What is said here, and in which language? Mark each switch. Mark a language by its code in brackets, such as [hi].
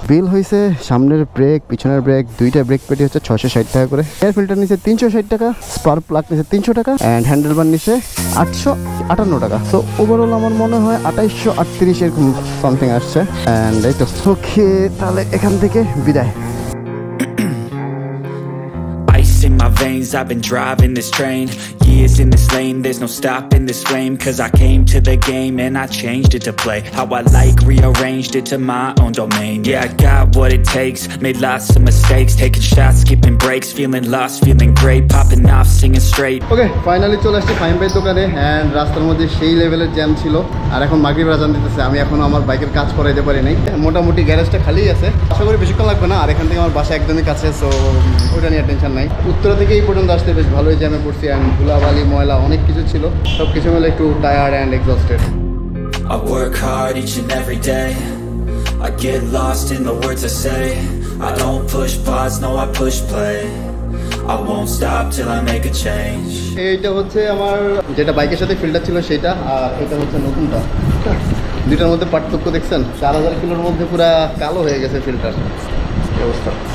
[bn] বিল হয়েছে সামনের ব্রেক পিছনের ব্রেক দুইটা ব্রেক পেটি হচ্ছে 660 টাকা করে, এয়ার ফিল্টার নিচে 360 টাকা, স্পার্ক প্লাগ নিচে 300 টাকা, অ্যান্ড হ্যান্ডেল বার নিচে 858 টাকা। সো ওভারঅল আমার মনে হয় 2838 এরকম সামথিং আসছে। অ্যান্ড এই তো ওকে, তাহলে এখান থেকে বিদায়। [en] In my veins, I've been driving this train. Years in this lane, there's no stopping this flame. 'Cause I came to the game and I changed it to play. How I like, rearranged it to my own domain. Yeah, I got what it takes, made lots of mistakes. Taking shots, skipping breaks, feeling lost, feeling great. Popping off, singing straight. [bn] Okay, finally চলে আসছি ফাইনবেট দোকানে, and রাস্তার মধ্যে সেই লেভেলের jam ছিল। আর এখন মাগরিব আজান দিতেছে, আমি এখনো আমার বাইকের কাজ করাইতে পারি নাই। মোটামুটি গ্যারেজটা খালি আছে, আশা করি বেশিক্ষণ লাগবে না, আর এখান থেকে আমার বাসা একদমই কাছে, সো ওইটা নিয়ে টেনশন নাই। উত্তর থেকে এই পর্যন্ত আসতে বেশ ভালোই জ্যামে পড়ছি, অ্যান্ড ধুলাবালি ময়লা অনেক কিছু ছিল, সব কিছু মিলে একটু tired and exhausted. [en] I work hard each and every day, I get lost in the words I say, I don't push pause, no I push play, I won't stop till I make a change. [bn] এইটা হচ্ছে আমার যেটা বাইকের সাথে filter ছিল সেটা, আর এটা হচ্ছে নতুনটা। দুইটার মধ্যে পার্থক্য দেখছেন, 4000 কিলোর মধ্যে পুরো কালো হয়ে গেছে ফিল্টার, এই অবস্থা।